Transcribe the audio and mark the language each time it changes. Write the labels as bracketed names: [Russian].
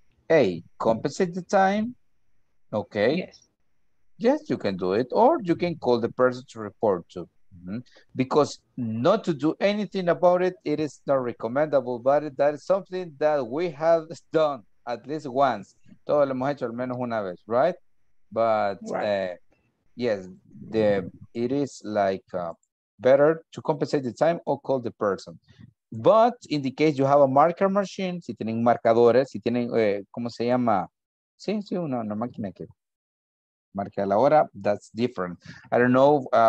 [English] A, compensate the time. Okay. Yes. Yes, you can do it. Or you can call the person to report to. Because not to do anything about it, it is not recommendable, but that is something that we have done at least once. [Spanish] Todo lo hemos hecho al menos una vez, right? [English] But yes, it is like better to compensate the time or call the person. But in the case you have a marker machine, [Spanish] si tienen marcadores, si tienen, ¿cómo se llama? Sí, sí, una máquina que marca la hora, [English] that's different. I don't know.